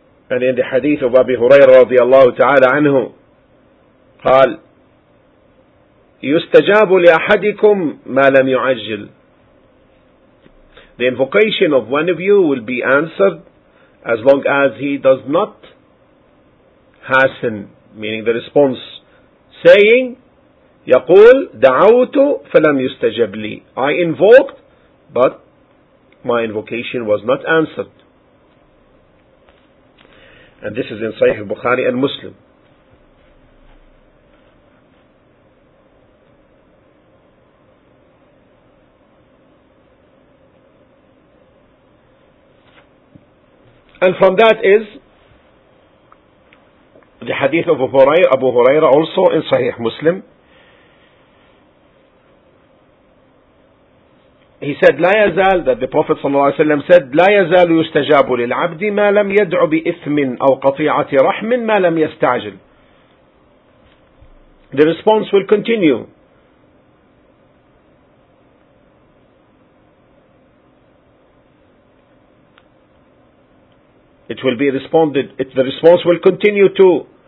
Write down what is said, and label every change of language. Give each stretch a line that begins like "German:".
English: And in the hadith of Abi Hurairah
Arabic: رضي الله تعالى عنه قال يستجاب لأحدكم ما لم يعجل.
English: The invocation of one of you will be answered as long as he does not hasten, meaning the response, saying,
Arabic: يقول دعوت فلم يستجب لي.
English: I invoked, but my invocation was not answered. And this is in Sahih Bukhari and Muslim. And from that is the hadith of Abu Hurairah also in Sahih Muslim. He said,
Arabic: لا يزال,
English: that the Prophet
Arabic: صلى الله عليه وسلم said, لا يزال يستجاب للعبد ما لم يدعو بإثم أو قطيعة رحم ما لم يستعجل.
English: The response will continue the response will continue to